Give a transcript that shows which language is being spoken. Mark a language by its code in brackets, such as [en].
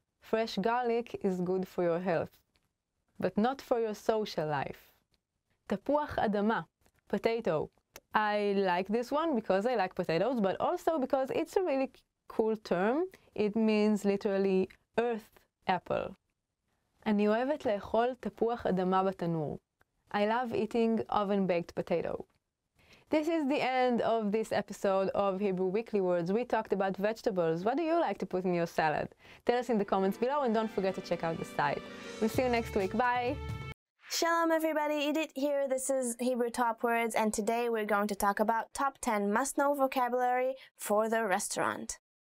[en] Fresh garlic is good for your health, but not for your social life. תפוח אדמה, potato. I like this one because I like potatoes, but also because it's a really cool term. It means literally earth apple. [he] אני אוהבת לאכול תפוח אדמה בתנור. [en] I love eating oven-baked potato. This is the end of this episode of Hebrew Weekly Words. We talked about vegetables. What do you like to put in your salad? Tell us in the comments below and don't forget to check out the site. We'll see you next week. Bye! Shalom everybody, Edith here. This is Hebrew Top Words and today we're going to talk about top 10 must-know vocabulary for the restaurant.